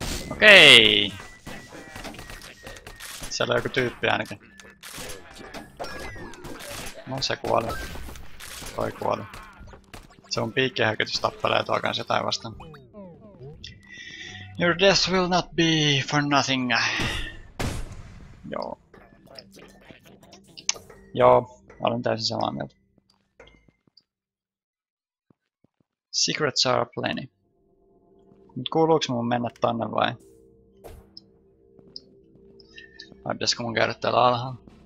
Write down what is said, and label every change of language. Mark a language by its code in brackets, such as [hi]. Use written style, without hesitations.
[fi] Okei! [en] Okay. [fi] Siellä on joku tyyppi ainakin. No se kuoli. Toi kuoli. Se on piikkihäkytys tappelee tuo kans jotain vastaan. [en] Your death will not be for nothing. [fi] Joo. Joo, olen täysin samaa mieltä. [en] Secrets are plenty. [fi] Mut kuuluuks mun mennä tänne vai? Vai pitäisikö mun käydä täällä alhaan?